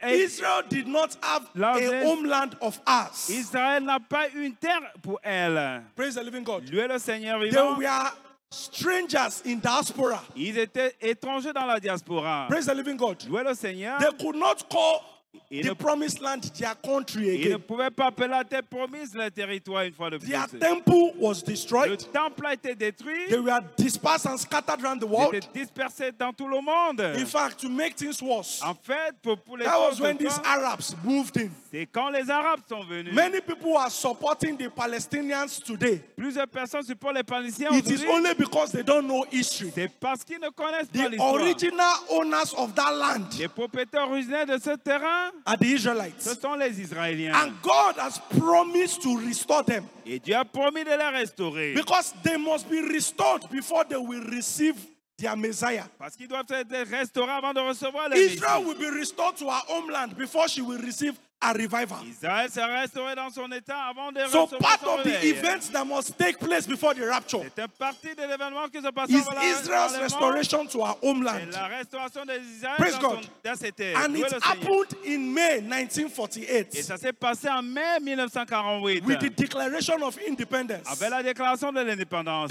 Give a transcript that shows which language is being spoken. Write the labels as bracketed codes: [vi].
[en] Israel did not have a homeland of ours. [fr] Israël n'a pas une terre pour elle. [en] Praise the living God. [fr] Louez le Seigneur vivant. [en] They were strangers in diaspora. [fr] Ils étaient étrangers dans la diaspora. [en] Praise the living God. [fr] Louez le Seigneur. [en] They could not call the promised land, their country again. [fr] Ils ne pouvaient pas appeler la terre promise leur territoire une fois de plus. [en] Their temple was destroyed. [fr] Le temple a été détruit. [en] They were dispersed and scattered around the world. [fr] Ils étaient dispersés dans tout le monde. [en] In fact, to make things worse, [fr] en fait, pour les [en] that was when these Arabs moved in. [fr] C'est quand les Arabes sont venus. [en] Many people are supporting the Palestinians today. [fr] Plusieurs personnes supportent les Palestiniens aujourd'hui. [en] It is only because they don't know history. [fr] C'est parce qu'ils ne connaissent pas l'histoire. [en] The original owners of that land. [fr] Les propriétaires originaires de ce terrain. [en] Are the Israelites. [fr] Ce sont les Israéliens. [en] And God has promised to restore them. [fr] Et Dieu a promis de les restaurer. [en] Because they must be restored before they will receive their Messiah. [fr] Parce qu'ils doivent être restaurés avant de recevoir le Messie. [en] Israel will be restored to her homeland before she will receive a revival. [fr] Israël sera restauré dans son état avant de recevoir. [en] So part of the events that must take place before the rapture. [fr] C'est une partie de l'événement qui se passe avant la. [en] Israel's restoration to our homeland. [fr] La restauration d'Israël. [en] Praise God. [fr] Dans cet état. [en] And it happened in May 1948. [fr] Et ça s'est passé en mai 1948. [en] With the declaration of independence. [fr] Avec la déclaration de l'indépendance.